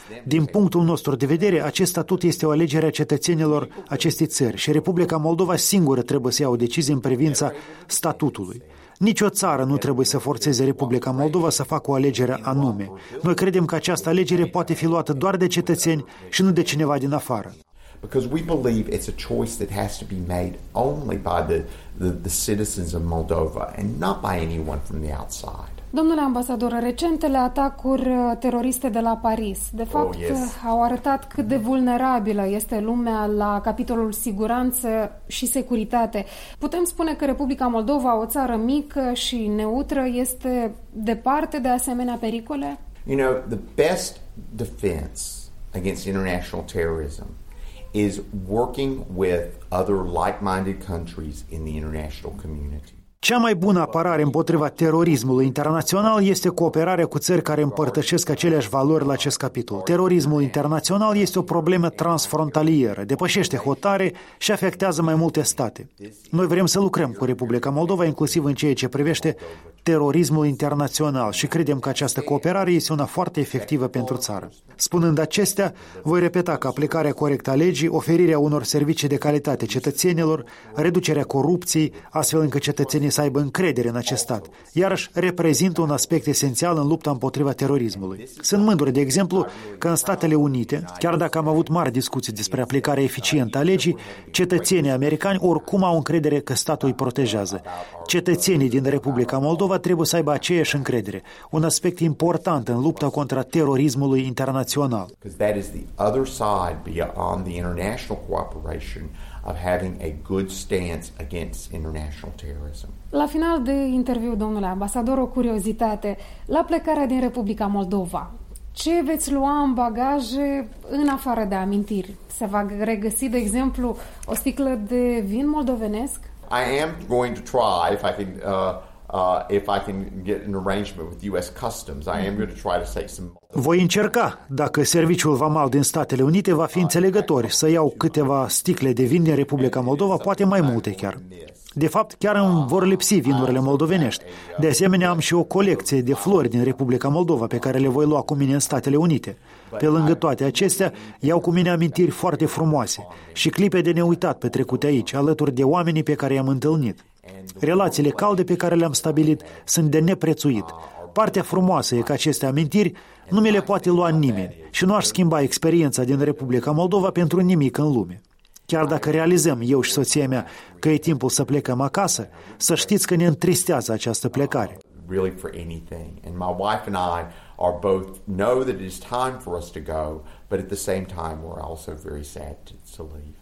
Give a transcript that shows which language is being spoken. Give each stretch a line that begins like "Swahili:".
Romanian: Din punctul nostru de vedere, acest statut este o alegere a cetățenilor acestei țări și Republica Moldova singură trebuie să ia o decizie în privința statutului. Nici o țară nu trebuie să forțeze Republica Moldova să facă o alegere anume. Noi credem că această alegere poate fi luată doar de cetățeni și nu de cineva din afară.
English: Because we believe it's a choice that has to be made only by the citizens of Moldova and not by anyone from the outside.
Romanian: Domnule ambasador, recentele atacuri teroriste de la Paris, de fapt, au arătat cât de vulnerabilă este lumea la capitolul siguranță și securitate. Putem spune că Republica Moldova, o țară mică și neutră, este departe de asemenea pericole?
English: You know, the best defense against international terrorism is working with other like-minded countries in the international community.
Romanian: Cea mai bună apărare împotriva terorismului internațional este cooperarea cu țări care împărtășesc aceleași valori la acest capitol. Terorismul internațional este o problemă transfrontalieră, depășește hotare și afectează mai multe state. Noi vrem să lucrăm cu Republica Moldova, inclusiv în ceea ce privește terorismul internațional, și credem că această cooperare este una foarte efectivă pentru țară. Spunând acestea, voi repeta că aplicarea corectă a legii, oferirea unor servicii de calitate cetățenilor, reducerea corupției, astfel încât cetățenii să aibă încredere în acest stat, iarăși reprezintă un aspect esențial în lupta împotriva terorismului. Sunt mândru, de exemplu, că în Statele Unite, chiar dacă am avut mari discuții despre aplicarea eficientă a legii, cetățenii americani oricum au încredere că statul îi protejează. Cetățenii din Republica Moldova trebuie să aibă aceeași încredere, un aspect important în lupta contra terorismului internațional.
English: Because that is the other side beyond the international cooperation of having a good stance against international terrorism.
Romanian: La final de interviu, domnule ambasador, o curiozitate. La plecarea din Republica Moldova, ce veți lua în bagaje în afară de amintiri? Se va regăsi, de exemplu, o sticlă de vin moldovenesc?
English: I am going to try if I can if I can get an arrangement with US Customs, I am going to try to take some.
Romanian: Voi încerca, dacă serviciul vamal din Statele Unite va fi înțelegător, să iau câteva sticle de vin din Republica Moldova, poate mai multe chiar. De fapt, chiar îmi vor lipsi vinurile moldovenești. De asemenea, am și o colecție de flori din Republica Moldova pe care le voi lua cu mine în Statele Unite. Pe lângă toate acestea, iau cu mine amintiri foarte frumoase și clipe de neuitat petrecute aici, alături de oamenii pe care i-am întâlnit. Relațiile calde pe care le-am stabilit sunt de neprețuit. Partea frumoasă e că aceste amintiri nu mi le poate lua nimeni și nu aș schimba experiența din Republica Moldova pentru nimic în lume. Chiar dacă realizăm eu și soția mea că e timpul să plecăm acasă, să știți că ne întristează această plecare.
English: Really for anything. And my wife and I are both know that it is time for us to go, but at the same time we're also very sad to leave.